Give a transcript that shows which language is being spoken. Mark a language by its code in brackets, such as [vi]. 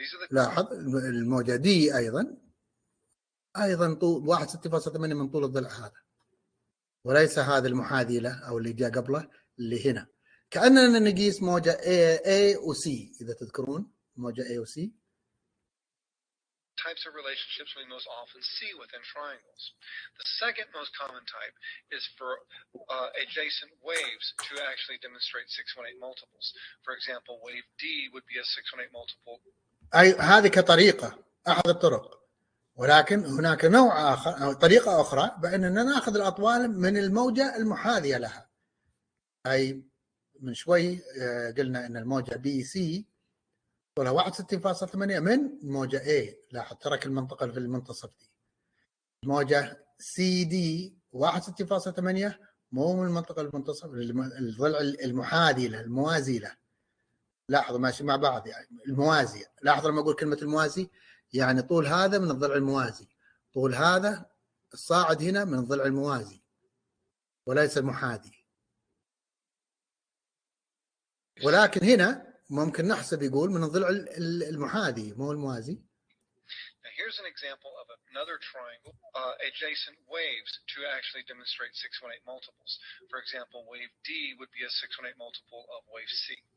[ar] لاحظ الموجة D أيضا طول 61.8 من طول الضلع هذا وليس هذا المحاذي له أو اللي جاء قبله اللي هنا كأننا نقيس موجة A و C إذا تذكرون موجة A و C. [en] Types of relationships we most often see within triangles. The second most common type is for adjacent waves to actually demonstrate 618 multiples. For example, wave D would be a 618 multiple. [ar] هذه كطريقة أحد الطرق ولكن هناك نوع آخر أو طريقة أخرى بأننا نأخذ الأطوال من الموجة المحاذية لها. أي من شوي قلنا أن الموجة بي سي طولها 61.8 من موجة A، لاحظ ترك المنطقة في المنتصف دي. الموجة سي دي 61.8 مو من المنطقة المنتصف، الضلع المحاذي لها الموازي له. لاحظوا ماشي مع بعض يعني الموازي، لاحظوا لما أقول كلمة الموازي يعني طول هذا من الضلع الموازي، طول هذا الصاعد هنا من الضلع الموازي وليس المحاذي. ولكن هنا ممكن نحسب يقول من الضلع المحاذي مو الموازي. [en] Here's an example of another triangle adjacent waves to actually demonstrate 618 multiples. For example, wave D would be a 618 multiple of wave C.